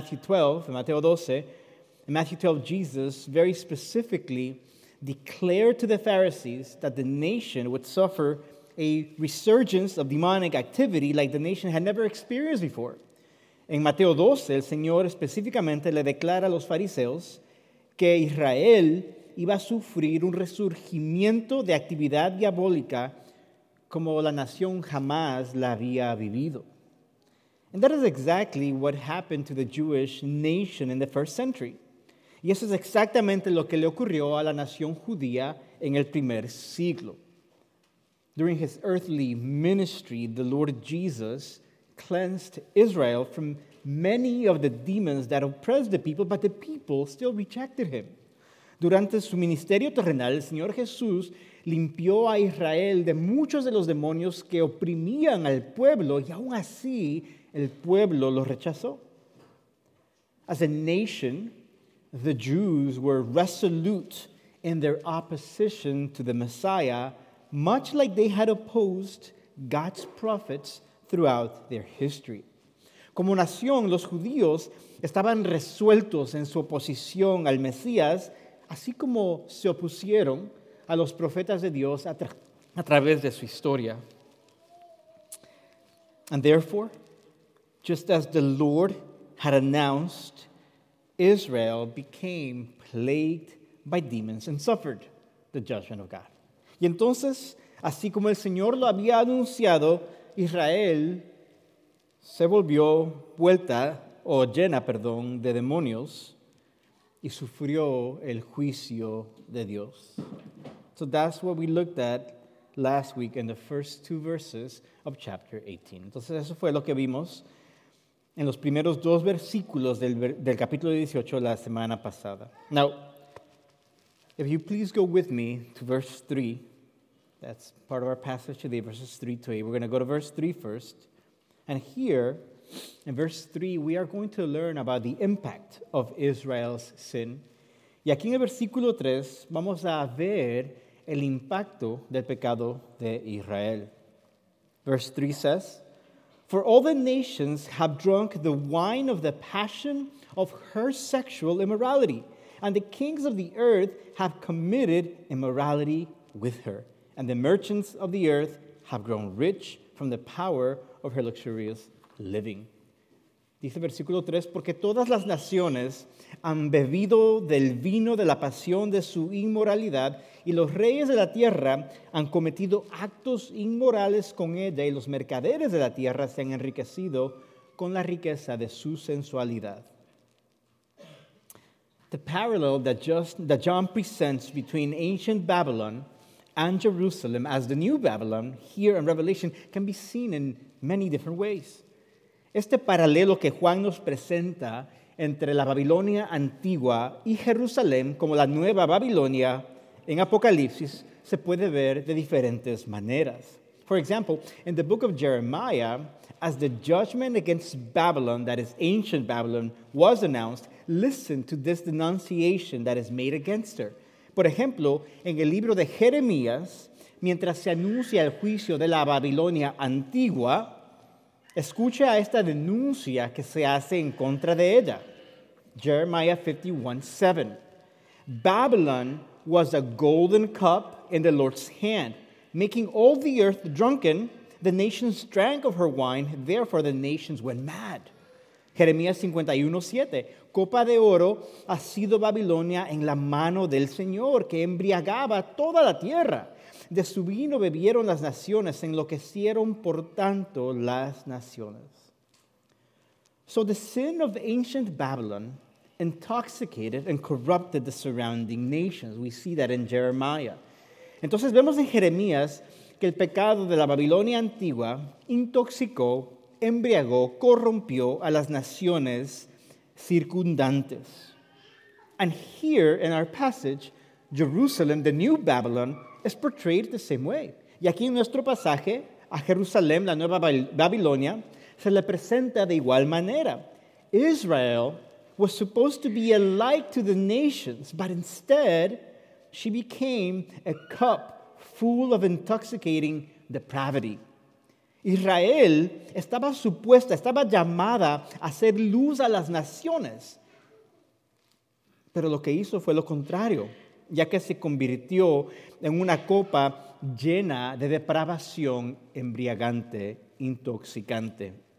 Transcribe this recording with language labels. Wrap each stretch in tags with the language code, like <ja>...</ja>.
<en>In Matthew 12, Jesus very specifically declared to the Pharisees that the nation would suffer a resurgence of demonic activity like the nation had never experienced before.</en> <es>En Mateo 12, el Señor específicamente le declara a los fariseos que Israel iba a sufrir un resurgimiento de actividad diabólica como la nación jamás la había vivido.</es> <en>And that is exactly what happened to the Jewish nation in the first century.</en> <es>Y eso es exactamente lo que le ocurrió a la nación judía en el primer siglo.</es> <en>During his earthly ministry, the Lord Jesus cleansed Israel from many of the demons that oppressed the people, but the people still rejected him.</en> <es>Durante su ministerio terrenal, el Señor Jesús limpió a Israel de muchos de los demonios que oprimían al pueblo, y aún así el pueblo lo rechazó.</es> <en>As a nation, the Jews were resolute in their opposition to the Messiah, much like they had opposed God's prophets throughout their history.</en> <es>Como nación, los judíos estaban resueltos en su oposición al Mesías, así como se opusieron a los profetas de Dios a través de su historia.</es> <en>And therefore, just as the Lord had announced, Israel became plagued by demons and suffered the judgment of God.</en> <es>Y entonces, así como el Señor lo había anunciado, Israel se volvió llena de demonios y sufrió el juicio de Dios.</es> <en>So that's what we looked at last week in the first two verses of chapter 18.</en> <es>Entonces eso fue lo que vimos en los primeros dos versículos del capítulo 18 la semana pasada.</es> <en>Now, if you please go with me to verse 3, that's part of our passage today, verses 3 to 8. We're going to go to verse 3 first. And here, in verse 3, we are going to learn about the impact of Israel's sin.</en> <es>Y aquí en el versículo 3, vamos a ver el impacto del pecado de Israel.</es> <en>Verse 3 says, "For all the nations have drunk the wine of the passion of her sexual immorality, and the kings of the earth have committed immorality with her, and the merchants of the earth have grown rich from the power of her luxurious living."</en> <es>Dice versículo 3, "Porque todas las naciones han bebido del vino de la pasión de su inmoralidad, y los reyes de la tierra han cometido actos inmorales con ella, y los mercaderes de la tierra se han enriquecido con la riqueza de su sensualidad."</es> <en>The parallel that John presents between ancient Babylon and Jerusalem as the new Babylon here in Revelation can be seen in many different ways.</en> <es>Este paralelo que Juan nos presenta entre la Babilonia antigua y Jerusalén como la nueva Babilonia en Apocalipsis se puede ver de diferentes maneras.</es> <en>For example, in the book of Jeremiah, as the judgment against Babylon, that is ancient Babylon, was announced, listen to this denunciation that is made against her.</en> <es>Por ejemplo, en el libro de Jeremías, mientras se anuncia el juicio de la Babilonia antigua, escucha esta denuncia que se hace en contra de ella.</es> <en>Jeremiah 51:7. "Babylon was a golden cup in the Lord's hand, making all the earth drunken. The nations drank of her wine, therefore the nations went mad."</en> <es>Jeremías 51:7. "Copa de oro ha sido Babilonia en la mano del Señor, que embriagaba toda la tierra. De su vino bebieron las naciones, enloquecieron por tanto las naciones."</es> <en>So the sin of ancient Babylon intoxicated and corrupted the surrounding nations. We see that in Jeremiah.</en> <es>Entonces vemos en Jeremías que el pecado de la Babilonia antigua intoxicó, embriagó, corrompió a las naciones circundantes.</es> <en>And here in our passage, Jerusalem, the new Babylon, is portrayed the same way.</en> <es>Y aquí en nuestro pasaje, a Jerusalén, la nueva Babilonia, se le presenta de igual manera.</es> <en>Israel was supposed to be a light to the nations, but instead, she became a cup full of intoxicating depravity.</en> <es>Israel estaba supuesta, estaba llamada a ser luz a las naciones. Pero lo que hizo fue lo contrario, ya que se convirtió en una copa llena de depravación embriagante, intoxicante.</es>